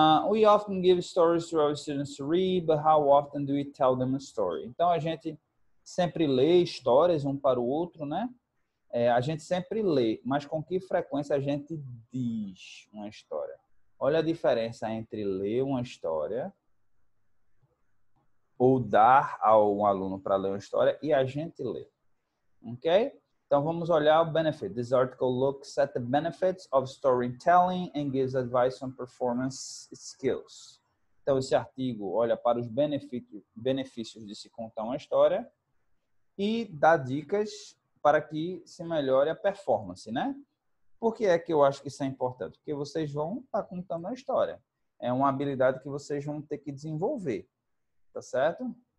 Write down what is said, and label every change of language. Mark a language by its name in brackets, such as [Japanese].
[English] We often give stories to our students to read, but how often do we tell them a story? [Portuguese] Então, a gente sempre lê histórias um para o outro, né? A gente sempre lê, mas com que frequência a gente diz uma história? Olha a diferença entre ler uma história ou dar a um aluno para ler uma história e a gente ler. Ok? Então vamos olhar o benefit. [English] This article looks at the benefits of storytelling and gives advice on performance skills. [Portuguese] Então esse artigo olha para os benefícios de se contar uma história e dá dicas para que se melhore a performance, né? Por que é que eu acho que isso é importante? Porque vocês vão estar contando a história. É uma habilidade que vocês vão ter que desenvolver, tá certo?